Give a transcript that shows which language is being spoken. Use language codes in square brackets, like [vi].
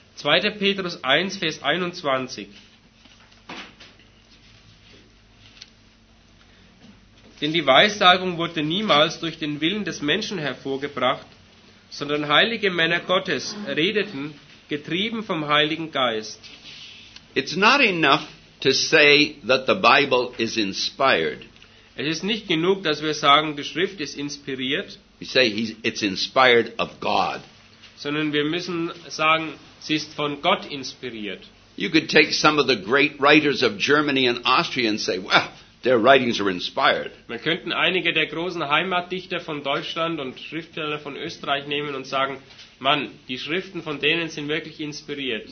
[de] 2. Petrus 1, Vers 21. Denn die Weissagung wurde niemals durch den Willen des Menschen hervorgebracht, sondern heilige Männer Gottes redeten, getrieben vom Heiligen Geist. [en] It's not enough to say that the Bible is inspired. [de] Es ist nicht genug, dass wir sagen, die Schrift ist inspiriert. [en] We say it's inspired of God. [de] Sondern wir müssen sagen, sie ist von Gott inspiriert. [en] You could take some of the great writers of Germany and Austria and say, well, their writings are inspired. [de] Man könnte einige der großen Heimatdichter von Deutschland und Schriftsteller von Österreich nehmen und sagen, Mann, die Schriften von denen sind wirklich inspiriert.